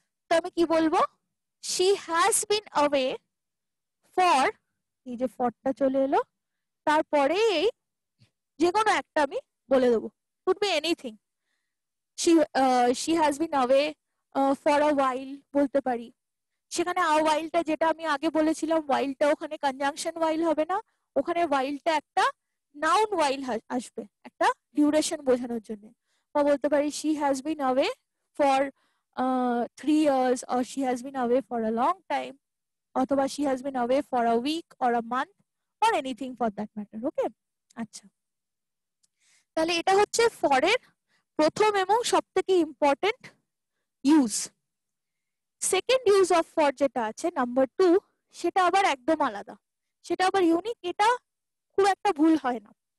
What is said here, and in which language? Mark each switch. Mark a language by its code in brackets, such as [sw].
[bn] তো আমি কি বলবো, [en] she has been away for, [bn] এই যে ফরটা চলে এলো, তারপরে এই যে কোনো একটা আমি বলে দেবো, [en] could be anything, she has been away for a while [bn] বলতে পারি। সেখানে আ ওয়াইলটা যেটা আমি আগে বলেছিলাম, ওয়াইলটা ওখানে কনজাংশন ওয়াইল হবে না, ওখানে ওয়াইলটা একটা নাউন ওয়াইল আসবে একটা ডিউরেশন বোঝানোর জন্য। বা বলতে পারি [en] she has been away for 3 years, or she has been away for a long time, [bn] অথবা [en] she has been away for a week or a month or anything for that matter. [bn] Okay, আচ্ছা, তাহলে এটা হচ্ছে for এর প্রথম এবং সব থেকে important use. [en] second use of for [bn] যেটা আছে নাম্বার টু, সেটা আবার একদম আলাদা, সেটা আবার ইউনিক, এটা খুব একটা ভুল হয় না।